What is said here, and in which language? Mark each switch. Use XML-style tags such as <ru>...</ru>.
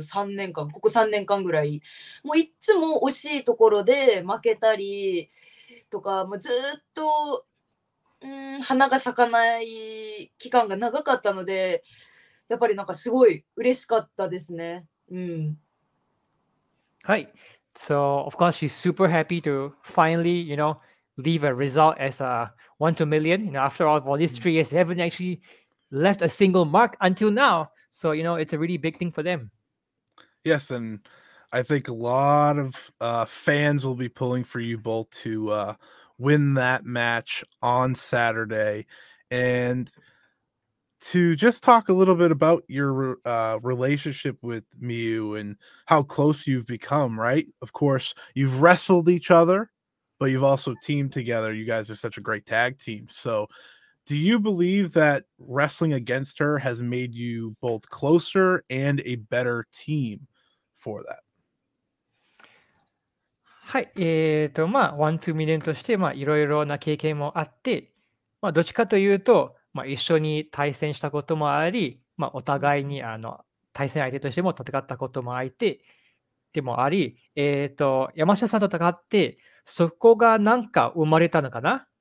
<ja>ここ3年間ぐらいもういつも惜しいところで負けたりとか、もうずっと花が咲かない期間が長かったので、やっぱりなんかすごい嬉しかったですね。はい。</ja> <en>So of course she's super happy to finally, you know, leave a result as a 1-2 million. You know, after all these 3 years, they haven't actually left a single mark until now. So, you know, it's a really big thing for them. Yes, and I think a lot of fans will be pulling for you both to win that match on Saturday. And to just talk a little bit about your relationship with Miyu and how close you've become, right? Of course, you've wrestled each other, but you've also teamed together. You guys are such a great tag team. So do you believe that wrestling against her has made you both closer and a better team for that?</en> <ja>はい、まあ、ワン・ツー・ミリオンとして、まあ、いろいろな経験もあって、まあ、どっちかというと、まあ、一緒に対戦したこともあり、まあ、お互いに対戦相手としても戦ったこともあって、でもあり、山下さんと戦って、そこが何か生まれたのかな？</ja>